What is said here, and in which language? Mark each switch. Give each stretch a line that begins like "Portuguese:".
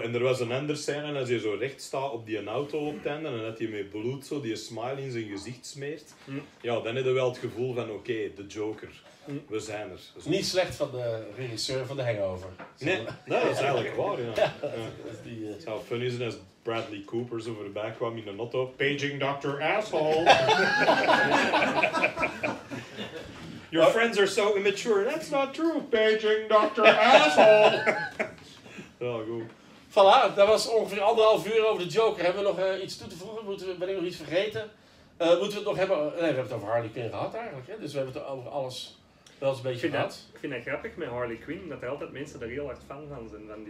Dutch: En er was een andere scène, als hij zo recht staat op die auto op het einde, en dat hij met bloed zo die smile in zijn gezicht smeert, ja, dan heb je wel het gevoel van, oké, de Joker, we zijn er. Zo. Niet slecht van de regisseur van de Hangover. Nee, dat is eigenlijk waar, ja. Het zou funny zijn als Bradley Cooper zo voorbij kwam in een auto,
English: paging Dr. Asshole. Your friends are so immature, that's not true, paging Dr. Asshole.
Dutch: Ja, goed. Voilà, dat was ongeveer anderhalf uur over de Joker. Hebben we nog iets toe te voegen? Ben ik nog iets vergeten? Moeten we het nog hebben? Nee, we hebben het over Harley Quinn gehad eigenlijk. Hè? Dus we hebben het over alles wel eens een beetje gehad. Ik vind dat grappig met Harley Quinn, dat er altijd mensen er heel hard fan van zijn.